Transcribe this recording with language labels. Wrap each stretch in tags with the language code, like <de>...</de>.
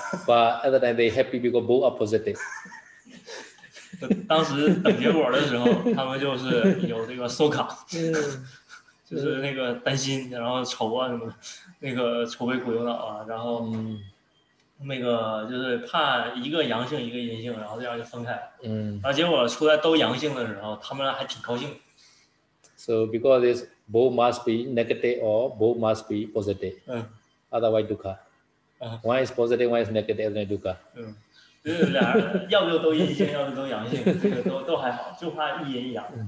<en>But at the time, they happy because both are positive.</en> <zh>当时等结果的时候，他们就是有这个so-called，就是那个担心，然后愁啊什么，那个愁眉苦忧的啊，然后那个就是怕一个阳性，一个阴性，然后这样就分开。然后结果出来都阳性的时候，他们还挺高兴。So</zh> <en>because this both must be negative or both must be positive. Otherwise, dukkha. One is positive, one is negative, then dukkha.</en> <zh>就是两人，要不就都阴性，要不就都阳性，这个都还好，就怕一阴一阳。</zh>